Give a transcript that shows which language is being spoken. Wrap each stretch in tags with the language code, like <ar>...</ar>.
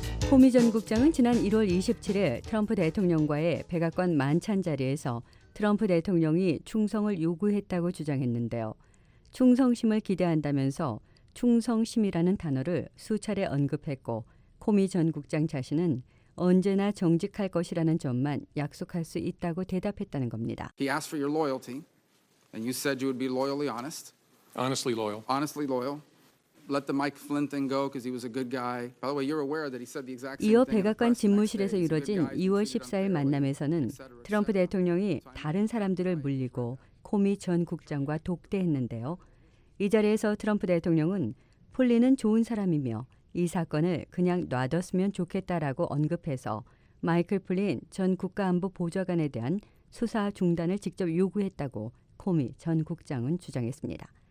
<ko>코미 전 국장은 지난 1월 27일 트럼프 대통령과의 백악관 만찬 자리에서 트럼프 대통령이 충성을 요구했다고 주장했는데요. 충성심을 기대한다면서 충성심이라는 단어를 수차례 언급했고 코미 전 국장 자신은 언제나 정직할 것이라는 점만 약속할 수 있다고 대답했다는 겁니다.</ko> <en>He asked for your loyalty and you said you would be loyally honest. Honestly loyal. Honestly loyal. Let the Mike Flynn thing go because he was a good guy. By the way, you're aware that he said the exact same thing.</en> <ko>이어 백악관 집무실에서 이뤄진 2월 14일 만남에서는 트럼프 대통령이 다른 사람들을 물리고 코미 전 국장과 독대했는데요. 이 자리에서 트럼프 대통령은 플린은 좋은 사람이며 이 사건을 그냥 놔뒀으면 좋겠다라고 언급해서 마이클 플린 전 국가안보 보좌관에 대한 수사 중단을 직접 요구했다고 코미 전 국장은 주장했습니다.</ko>